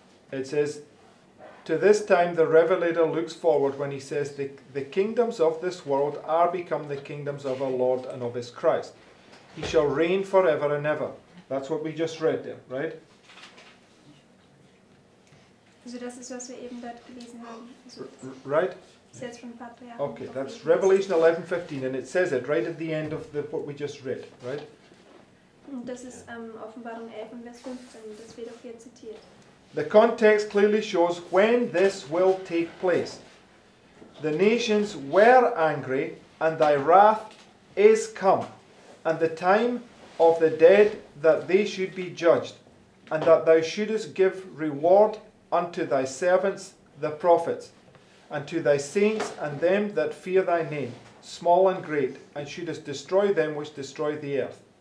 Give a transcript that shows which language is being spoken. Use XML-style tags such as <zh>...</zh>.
<en>It says, to this time the Revelator looks forward when he says, the kingdoms of this world are become the kingdoms of our Lord and of his Christ. He shall reign forever and ever. That's what we just read there, right?</en> <de>Also das ist, was wir eben dort gelesen haben.</de> <en>Right? Says from Patria. Okay, that's Revelation 11:15, and it says it right at the end of the what we just read, right?</en> <de>Und das ist Offenbarung 11, Vers 15, das wird auch hier zitiert.</de> <en>The context clearly shows when this will take place. The nations were angry, and thy wrath is come, and the time of the dead that they should be judged, and that thou shouldest give reward unto thy servants the prophets, and to thy saints and them that fear thy name, small and great, and shouldest destroy them which destroy the earth.</en>